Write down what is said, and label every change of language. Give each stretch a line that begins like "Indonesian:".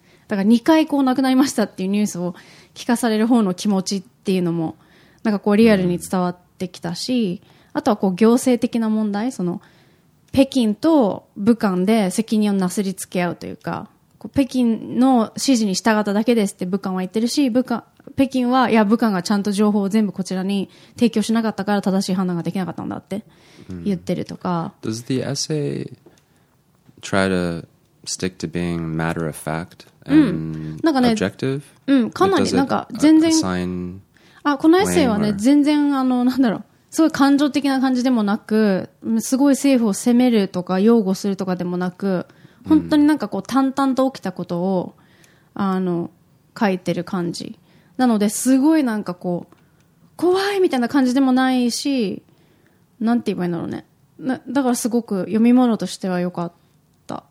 Japanese: だから2回こう亡くなりましたっていうニュースを聞かされる方の気持ちっていうのも、なんかこうリアルに伝わってきたし、あとはこう行政的な問題、その北京と武漢で責任をなすりつけ合うというか、こう北京の指示に従っただけですって武漢は言ってるし、北京は、いや、武漢がちゃんと情報を全部こちらに提供しなかったから正しい判断ができなかったんだって言ってるとか。 Mm.
English: Does the essay try to stick to being matter of fact and objective?
Japanese: うん、かなり、なんか全然、
English: assign blame?
Japanese: このエッセイはね、全然、あの、なんだろう、すごい感情的な感じでもなく、すごい政府を責めるとか擁護するとかでもなく、本当になんかこう淡々と起きたことを、あの、書いてる感じなので、すごいなんかこう怖いみたいな感じでもないし、なんて言えばいいんだろうね、だからすごく読み物としては良かった。